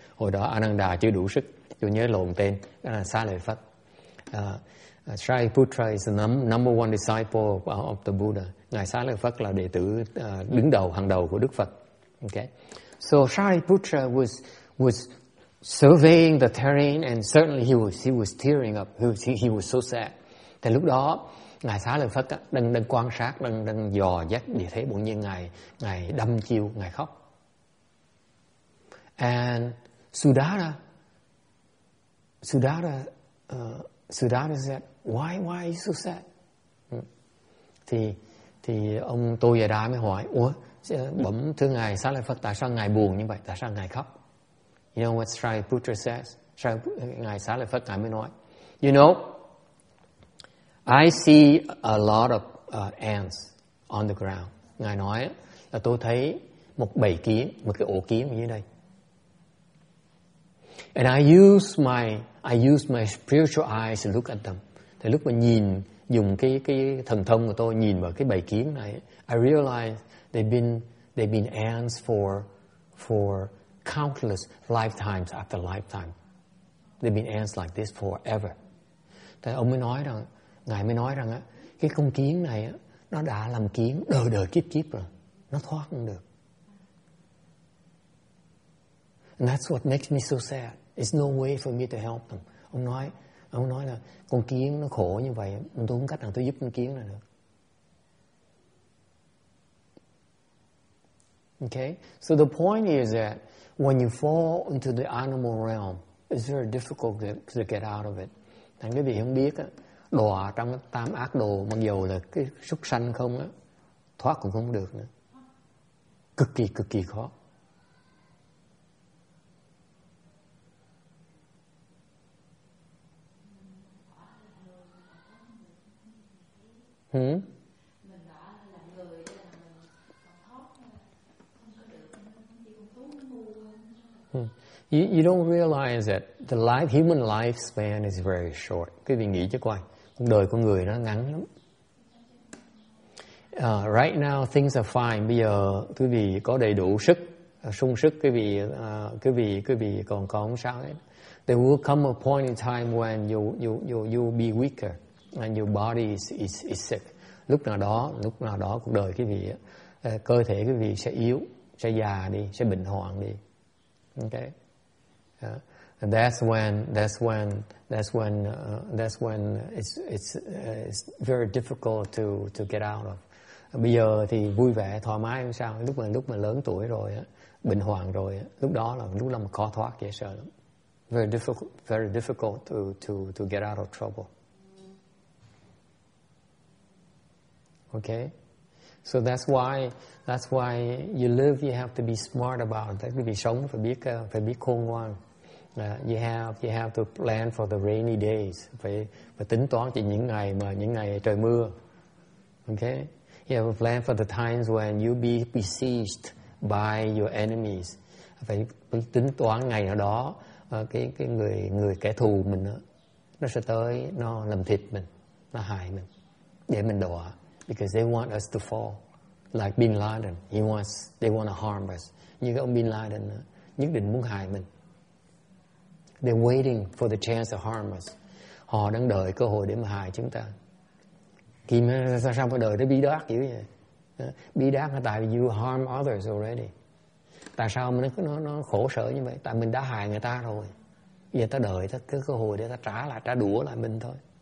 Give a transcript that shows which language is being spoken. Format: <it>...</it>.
<vi>Hồi đó Ananda chưa đủ sức. Tôi nhớ lộn tên. Xá Lợi Phất.</vi> <en>Shariputra is the number one disciple of the Buddha.</en> <vi>Ngài Xá Lợi Phất là đệ tử đứng đầu, hàng đầu của Đức Phật.</vi> <en>Okay. So Shariputra was surveying the terrain, and certainly he was tearing up. He was so sad.</en> <vi>Thì lúc đó Ngài Xá Lợi Phất đang quan sát, đang dò dắt địa thế, bỗng nhiên ngài đâm chiêu, ngài khóc.</vi> <en>And Siddhartha said, why are you so sad?</en> <vi>Thì ông Toyada mới hỏi, ủa, bẩm thưa ngài Xá Lợi Phất, tại sao ngài buồn như vậy, tại sao ngài khóc?</vi> <en>You know what Shariputra says?</en> <vi>Ngài Xá Lợi Phất ngài mới nói,</vi> <en>you know, I see a lot of ants on the ground.</en> <vi>Ngài nói là tôi thấy một bầy kiến, một cái ổ kiến như đây.</vi> <en>And I use my spiritual eyes to look at them.</en> <vi>Thì lúc mà nhìn, dùng cái thần thông của tôi nhìn vào cái bầy kiến này,</vi> <en>I realize they've been ants for countless lifetimes after lifetime. They've been ants like this forever.</en> <vi>Thì ông mới nói rằng, ngài mới nói rằng á, cái con kiến này á, nó đã làm kiến đời đời kiếp kiếp rồi, nó thoát không được.</vi> <en>And that's what makes me so sad. There's no way for me to help them.</en> <vi>Ông nói là con kiến nó khổ như vậy, tôi không cách nào tôi giúp con kiến này được.</vi> <en>Okay, so the point is that when you fall into the animal realm, it's very difficult to get out of it.</en> <vi>Thành quý vị không biết á, đọa trong cái tam ác đồ, mặc dù là cái súc sanh không á, thoát cũng không được nữa. Cực kỳ khó.</vi> <en>You don't realize that the life, human lifespan is very short.</en> <vi>Quý vị nghĩ chứ coi, cuộc đời con người nó ngắn lắm.</vi> <en>Right now things are fine.</en> <vi>Bây giờ quý vị có đầy đủ sức, sung sức, quý vị còn có không sao hết.</vi> <en>There will come a point in time when you'll be weaker and your body is sick.</en> <vi>Lúc nào đó cuộc đời quý vị, cơ thể quý vị sẽ yếu, sẽ già đi, sẽ bệnh hoạn đi.</vi> <en>Okay. And that's when it's very difficult to get out of.</en> <vi>Bây giờ thì vui vẻ thoải mái không sao, lúc mà lớn tuổi rồi á, bệnh hoạn rồi á, lúc đó là khó thoát, dễ sợ lắm.</vi> <en>Very difficult to get out of trouble. Okay, so that's why you live. You have to be smart about it.</en> <vi>Quý vị sống phải biết khôn ngoan.</vi> <en>You have to plan for the rainy days.</en> <vi>Phải tính toán cho những ngày trời mưa.</vi> <en>Okay, you have to plan for the times when you be besieged by your enemies.</en> <vi>Phải tính toán ngày nào đó cái người kẻ thù mình đó, nó sẽ tới, nó làm thịt mình, nó hại mình để mình đọa.</vi> <en>Because they want us to fall, like Bin Laden. They want to harm us.</en> <vi>Như cái ông Bin Laden nhất định muốn hại mình.</vi> <en>They're waiting for the chance to harm us.</en> <vi>Họ đang đợi cơ hội để mà hại chúng ta. Khi mà sao mà đời nó bi đát dữ vậy? Bi đát là tại vì</vi> <en>you harm others already.</en> <vi>Tại sao mà nó khổ sở như vậy? Tại mình đã hại người ta rồi. Giờ ta đợi ta cái cơ hội để ta trả đũa lại mình thôi.</vi>